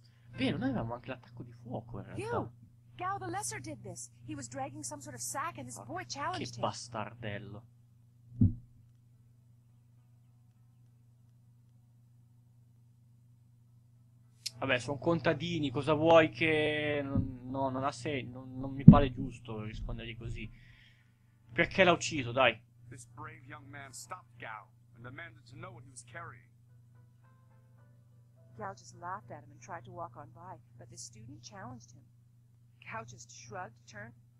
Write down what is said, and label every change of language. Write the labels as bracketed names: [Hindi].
[Italian] Bene, noi avevamo anche l'attacco di fuoco in realtà. [English] Gao the Lesser did this. He was dragging some sort of sack and this boy challenged him. [Italian] Che bastardello. Vabbè, sono contadini, cosa vuoi che... No, non ha senso, non mi pare giusto rispondergli così. Perché l'ha ucciso, dai? [English] This brave young man stopped Gao and demanded to know what he was carrying. Gao just laughed at him and tried to walk on by, but the student challenged him. Gao just shrugged, turned...